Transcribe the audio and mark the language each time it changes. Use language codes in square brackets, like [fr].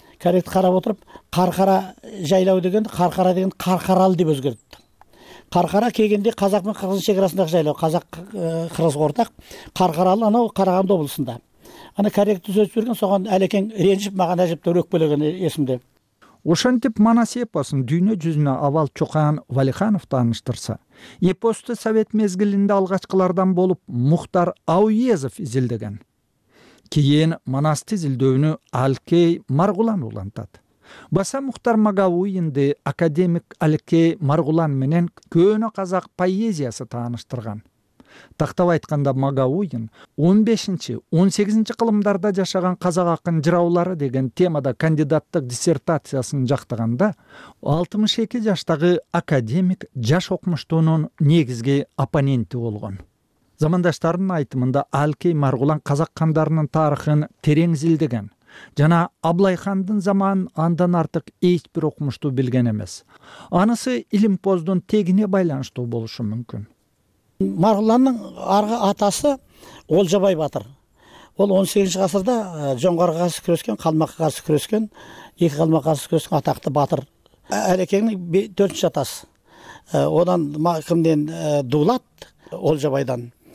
[kk] Корректор қарап отырып, қарқара жайлау деген, қарқара деген қарқаралы деп өзгертті. Қарқара кегенде қазақ пен қырғыз шекарасындағы жайлау, қазақ қырғыз ортақ, қарқаралы анау Қарағанды облысында. Ана корректор сөз берген соған әлекен ренжіп маған әжептеуір өкпелеген есімде. [ky] Ошентип Манас эпосун дүйнө жүзүнө авал Чоқан Валиханов тааныштырса, эпосту совет мезгилинде алгачкылардан болуп Мухтар Ауезов изилдеген. Кийин Манасты изилдөөнү Алкей Марғұлан улантат. Баса Мухтар Магауинди академик Алкей Марғұлан менен көнө казак поэзиясы тааныштырган. Тактап айтканда Магауин 15-18 кылымдарда жашаган казак акын жыраулары деген темада кандидаттык диссертациясын жактаганда 62 жаштагы академик жаш окумуштуунун негизги оппоненти болгон. Замандаштарынын айтымында Алкей Марғұлан казак хандарынын тарыхын терең изилдеген жана Аблай хандын заманын андан артык эч бир окумуштуу билген эмес. Анысы илимпоздун тегине байланыштуу болушу мүмкүн. [kk] Марғұланның арғы атасы Олжабай батыр. Ол 18-ші ғасырда Жоңғарға қарсы күрескен, қалмаққа қарсы күрескен, екі қалмаққа қарсы күрескен атақты батыр. Әлекеңнің 4-ші атасы. Одан кімнен Дулат Олжабайдан.